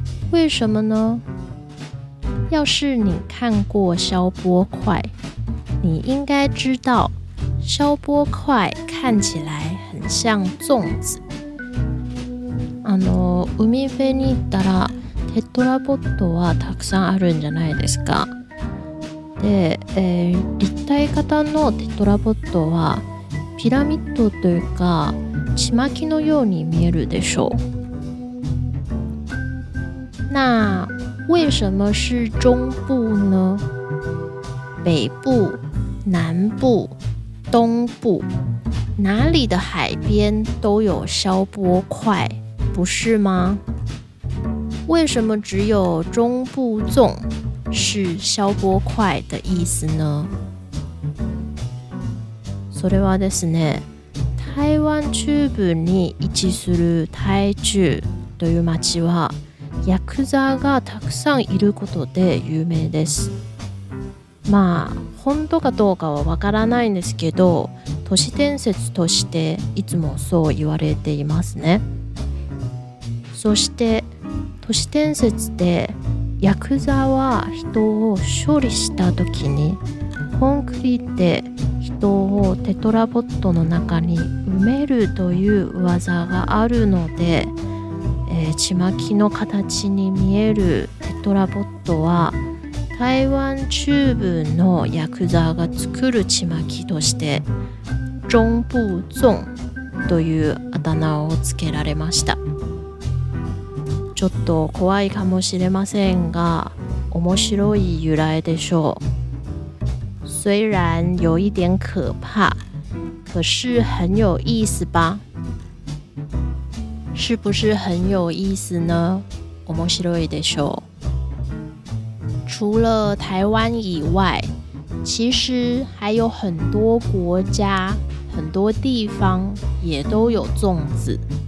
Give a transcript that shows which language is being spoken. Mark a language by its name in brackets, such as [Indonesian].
[Chinese] 为什么呢？要是你看过削波块，你应该知道削波块看起来很像粽子。 [Japanese] 海辺に行ったらテトラポッドはたくさんあるんじゃないですか。で、立体型のテトラポッドはピラミッドというかちまきのように見えるでしょう。 [Chinese] 那为什么是中部呢？北部、南部、东部，哪里的海边都有削波块，不是吗？为什么只有中部粽是削波块的意思呢？ [Japanese] それはですね、台湾中部に位置する台中という町は、ヤクザがたくさんいることで有名です。まあ、本当かどうかはわからないんですけど、都市伝説としていつもそう言われていますね。そして、都市伝説でヤクザは人を処理した時に、コンクリートで人をテトラポットの中に埋めるという技があるので、ちまきの形に見えるテトラポットは台湾中部のヤクザが作るちまきとして中部粽というあだ名をつけられました。ちょっと怖いかもしれませんが面白い由来でしょう。 [Chinese] 虽然有一点可怕，可是很有意思吧。是不是很有意思呢？ [Japanese] 面白いでしょう。 [Chinese] 除了台湾以外，其实还有很多国家、很多地方也都有粽子。